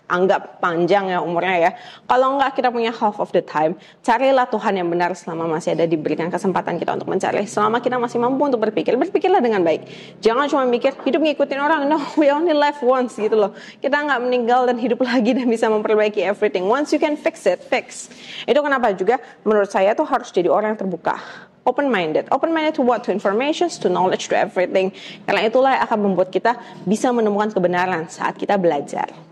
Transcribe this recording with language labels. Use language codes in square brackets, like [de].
[id] Anggap panjang ya umurnya ya. Kalau enggak kita punya [en] half of the time, [id] carilah Tuhan yang benar selama masih ada diberikan kesempatan kita untuk mencari. Selama kita masih mampu untuk berpikir, berpikirlah dengan baik. Jangan cuma mikir hidup ngikutin orang. [en] No, we only live once [id] gitu loh. Kita enggak meninggal dan hidup lagi dan bisa memperbaiki everything. [en] Once you can fix it, fix. [id] Itu kenapa juga menurut saya tuh harus jadi orang yang terbuka. [en] Open-minded to what? To informations, to knowledge, to everything. [id] Karena itulah yang akan membuat kita bisa menemukan kebenaran saat kita belajar.